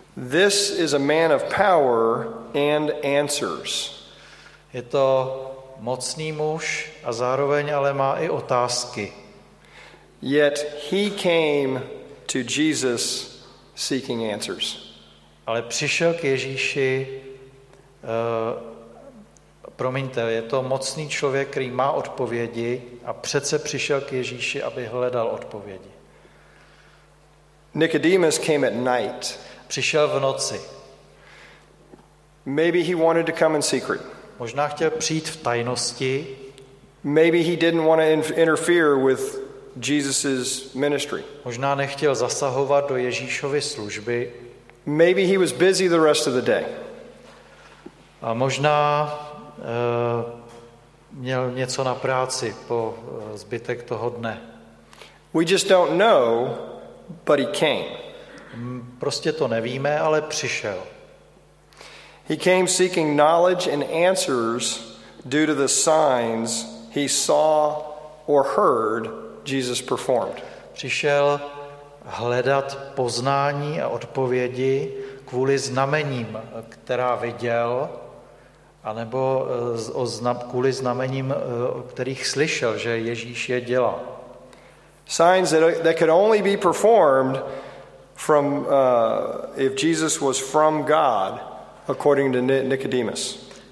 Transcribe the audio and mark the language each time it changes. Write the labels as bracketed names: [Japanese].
[English] This is a man of power and answers. [Czech] Je to mocný muž a zároveň ale má i otázky. [English] Yet he came to Jesus seeking answers. [Czech] Ale přišel k Ježíši, promiňte, je to mocný člověk, který má odpovědi, a přece přišel k Ježíši, aby hledal odpovědi. [English] Nicodemus came at night. [Czech] Přišel v noci. [English] Maybe he wanted to come in secret. [Czech] Možná chtěl přijít v tajnosti. [English] Maybe he didn't want to interfere with Jesus's ministry. [Czech] Možná nechtěl zasahovat do Ježíšovy služby. [English] Maybe he was busy the rest of the day. [Czech] A možná měl něco na práci po zbytek toho dne. [English] We just don't know, but he came. [Czech] Prostě to nevíme, ale přišel. [English] He came seeking knowledge and answers due to the signs he saw or heard Jesus performed. [Czech] Přišel hledat poznání a odpovědi kvůli znamením, která viděl, anebo kvůli znamením, o kterých slyšel, že Ježíš je dělá. [English] Signs that could only be performed from if Jesus was from God, according to Nicodemus.